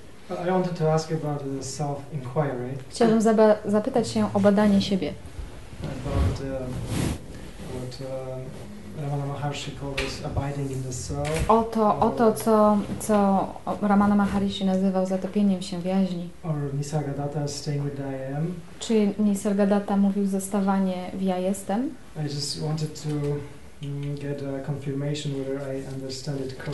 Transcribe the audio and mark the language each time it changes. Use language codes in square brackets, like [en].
[en] I wanted to ask you about the self-inquiry. [pl] Chciałbym zapytać się o badanie siebie. [en] About what Ramana Maharshi calls abiding in the self. [pl] Co Ramana Maharshi nazywał zatopieniem się w jaźni. [en] Or Nisargadatta staying with I am. [pl] Czy Nisargadatta mówił zostawanie w ja jestem? [en] I just wanted to get a confirmation whether I understand it correctly.